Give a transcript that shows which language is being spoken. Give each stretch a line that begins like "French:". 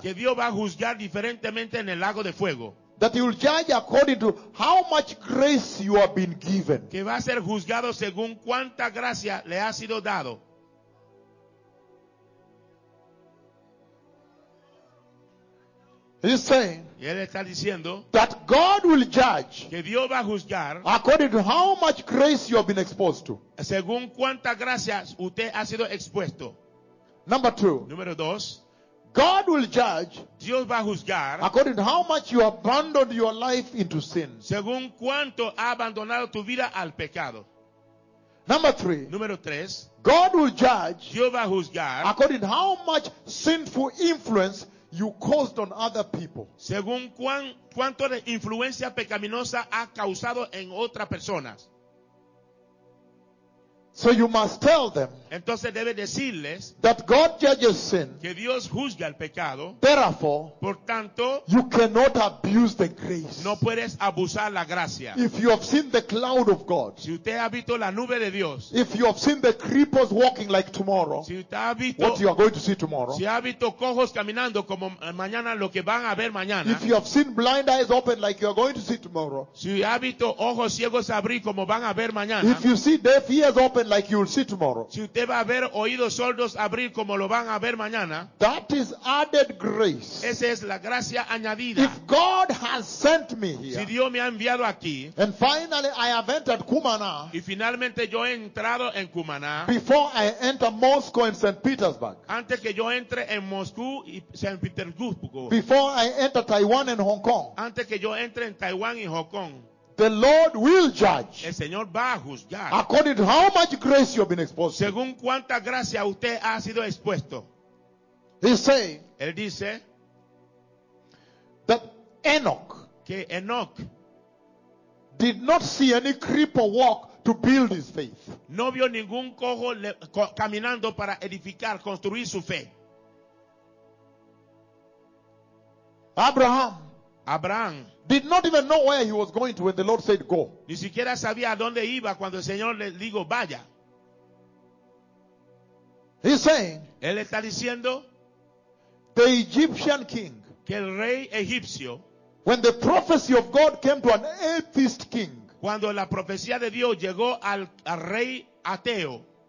Spanish: Que Dios va a juzgar diferentemente en el lago de fuego.
English: That he will judge according to how much grace you have been given.
Spanish: Que va a ser juzgado según cuánta gracia le ha sido dado.
English: He's saying,
Spanish: y él está diciendo,
English: that God will judge,
Spanish: que Dios va a juzgar,
English: according to how much grace you have been exposed to.
Spanish: Según cuánta gracia usted ha sido expuesto.
English: Number two,
Spanish: número dos,
English: God will judge,
Spanish: Dios va a juzgar,
English: according to how much you abandoned your life into sin.
Spanish: Según cuánto ha abandonado tu vida al pecado.
English: Number three,
Spanish: número tres,
English: God will judge,
Spanish: Dios va a juzgar,
English: according to how much sinful influence you caused on other people.
Spanish: Según cuánto de influencia pecaminosa ha causado en otras personas.
English: So you must tell them.
Spanish: Entonces debe decirles.
English: That God judges sin.
Spanish: Que Dios juzga el pecado.
English: Therefore.
Spanish: Por tanto.
English: You cannot abuse the grace.
Spanish: No puedes abusar la gracia.
English: If you have seen the cloud of God.
Spanish: Si usted ha visto la nube de Dios.
English: If you have seen the cripples walking like tomorrow.
Spanish: Si usted ha visto.
English: What you are going to see tomorrow.
Spanish: Si ha visto cojos caminando como mañana lo que van a ver mañana.
English: If you have seen blind eyes open like you are going to see tomorrow.
Spanish: Si ha visto ojos ciegos abrir como van a ver mañana.
English: If you see deaf ears open like you will see tomorrow.
Spanish: Si usted va a ver oídos sordos abrir como lo van a ver mañana.
English: That is added grace.
Spanish: Esa es la gracia añadida.
English: If God has sent me here.
Spanish: Si Dios me ha enviado aquí.
English: And finally I have entered Cumaná.
Spanish: Y finalmente yo he entrado en Cumaná.
English: Before I enter Moscow and St. Petersburg.
Spanish: Antes que yo entre en Moscú y San Petersburgo.
English: Before I enter Taiwan and Hong Kong.
Spanish: Antes que yo entre en Taiwán y Hong Kong.
English: The Lord will judge.
Spanish: El Señor va a juzgar.
English: According to how much grace you have been exposed.
Spanish: Según cuánta gracia usted ha sido expuesto.
English: He say.
Spanish: Él dice.
English: That Enoch.
Spanish: Que Enoch.
English: Did not see any cripple walk to build his faith.
Spanish: No vio ningún cojo caminando para edificar, construir su fe.
English: Abraham.
Spanish: Abraham.
English: Did not even know where he was going to when the Lord said go.
Spanish: Ni siquiera sabía a dónde iba cuando el Señor le dijo vaya.
English: He's saying.
Spanish: Él está diciendo.
English: The Egyptian king.
Spanish: Que el rey egipcio.
English: When the prophecy of God came to an atheist king.
Spanish: Cuando la profecía de Dios llegó al rey ateo.